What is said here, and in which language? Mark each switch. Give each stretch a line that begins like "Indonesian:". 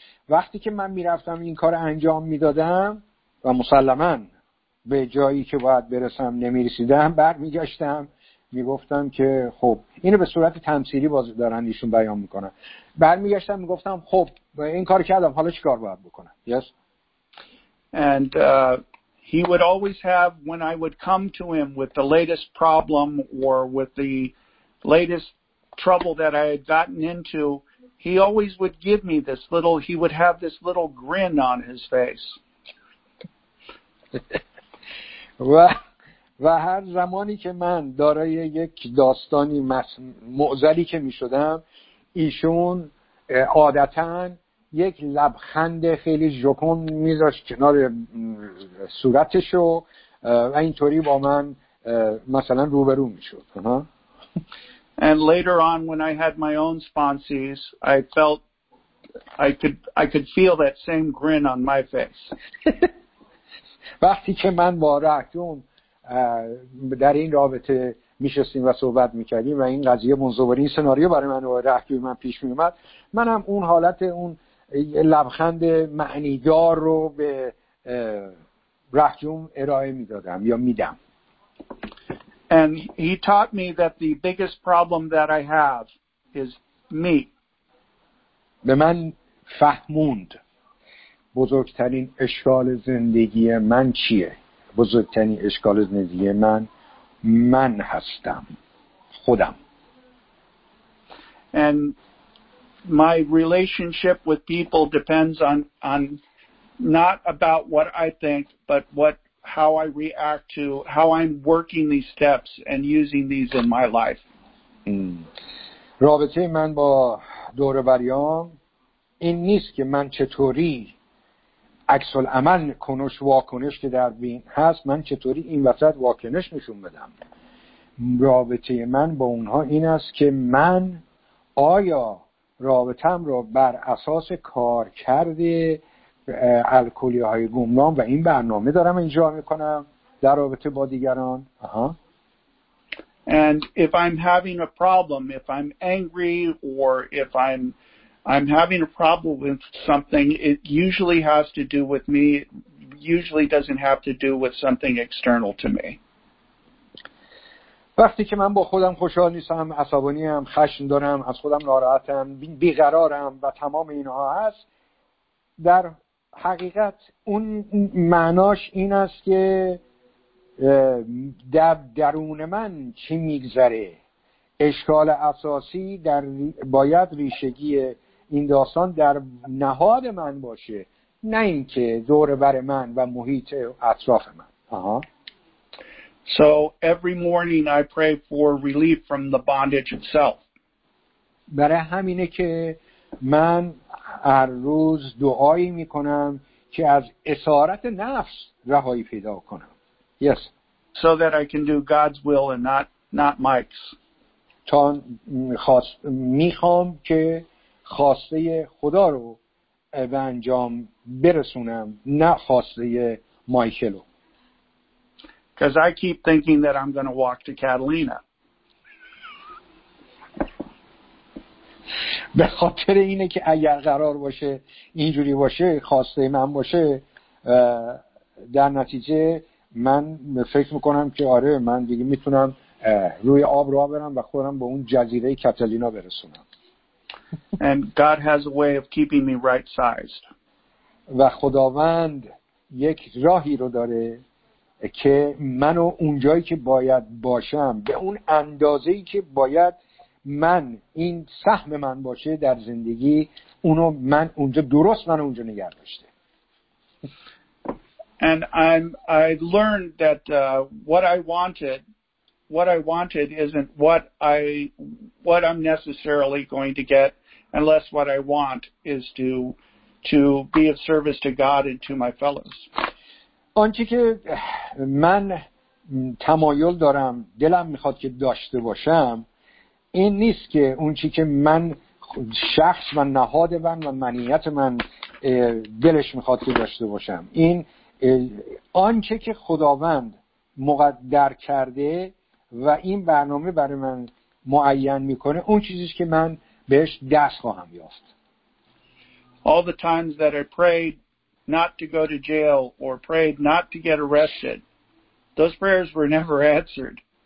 Persian: وقتی که من میرفتم این کار انجام میدادم و مسلماً به جایی که باید برسم نمیرسیدم، بر میگشتم میگفتم که خب، اینو به صورت تمثیلی باز دارن ایشون بیان میکنن، بر میگشتم میگفتم خب این کار کردم، حالا چی کار باید بکنم؟
English: Yes. And he would always have, when I would come to him with the latest problem or with the latest trouble that I had gotten into, he always would give me this little, he would have this little grin on his face.
Persian: و هر زمانی که من دارای یک داستانی معضلی که می شدم، ایشون عادتا یک لبخند خیلی جوکون میذاشت کنار صورتشو و اینطوری با من مثلا روبرو میشد.
English: And later on when I had my own sponsees, I felt I could feel that same grin on my face.
Persian: وقتی که من با رهتون در این رابطه میشستیم و صحبت میکردیم و این قضیه منظور این سناریو برای من و رهتون من پیش میومد، من هم اون حالت اون لبخند معنیدار رو به رهتون ارائه میدادم یا میدم.
English: And he taught me that the biggest problem that I have is me.
Persian: به من فهموند بزرگترین اشکال زندگی من چیه؟ بزرگترین اشکال زندگی من هستم، خودم.
English: And my relationship with people depends on not about what I think, but how I react to how I'm working these steps and using these in my life.
Persian: رابطه من با دوروبریام این نیست که من چطوری عکس العمل کنش واکنش که در بین هست من چطوری این وسط واکنش نشون بدم. رابطه من با اونها این است که من آیا رابطم را بر اساس کار کرده الکلی های گمنام و این برنامه دارم اینجا میکنم در رابطه با دیگران.
English: And if I'm having a problem, if I'm angry or if I'm having a problem with something, it usually has to do with me. Usually doesn't have to do with something external to me.
Persian: وقتی که من با خودم خوشحال نیستم، عصبانیم، خشم دارم، از خودم ناراحتم، بیقرارم و تمام اینها هست، در حقیقت اون معناش این است که در درون من چی میگذره. اشکال اساسی در باید ریشگی این داستان در نهاد من باشه، نه اینکه دور بر من و محیط اطراف من.
English: So every morning I pray for relief from the bondage itself.
Persian: برای همینه که من هر روز دعایی میکنم که از اسارت نفس رهایی پیدا کنم.
English: Yes. So that I can do God's will and not Mike's.
Persian: تا میخوام که خواسته خدا رو به انجام برسونم نه خواسته مایکل رو.
English: Because I keep thinking that I'm going to walk to Catalina.
Persian: به خاطر اینه که اگر قرار باشه اینجوری باشه خواسته من باشه در نتیجه من فکر میکنم که آره من دیگه میتونم روی آب راه برم و خودم به اون جزیره کاتالینا برسونم.
English: And God has a way of keeping me right sized.
Persian: و خداوند یک راهی رو داره که منو اونجایی که باید باشم به اون اندازه‌ای که باید من این سهم من باشه در زندگی اونو من اونجا درست من اونجا نگه داشته.
English: And I learned that what I wanted isn't what I'm necessarily going to get unless what I want is to be of service to God and to my fellows.
Persian: آنچه که من تمایل دارم دلم میخواد که داشته باشم این نیست که اون چی که من شخص و نهاد من و منیت من دلش میخواد که داشته باشم. این آنچه که خداوند مقدر کرده و این برنامه برای من معین میکنه اون چیزیست که من بهش دست خواهم یافت.
English: All the times that I prayed not to go to jail or prayed not to get arrested, those prayers were never answered.